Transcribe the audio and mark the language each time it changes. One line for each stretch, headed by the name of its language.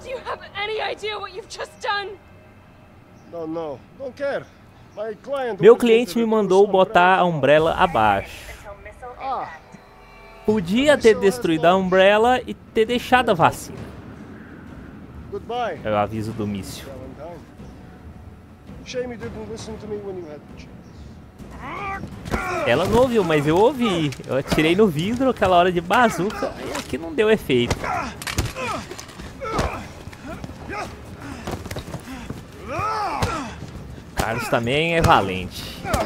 English: Do you have any idea what you've just done? No, no. Don't care. My client...
Portuguese: Meu cliente me mandou botar a Umbrella abaixo. Podia ter destruído a Umbrella e ter deixado a vacina.
English: Goodbye.
Portuguese: Eu aviso do míssil.
English: Shame you didn't listen to me when you had...
Portuguese: Ela não ouviu, mas eu ouvi. Eu atirei no vidro aquela hora de bazuca e aqui não deu efeito. Carlos também é valente.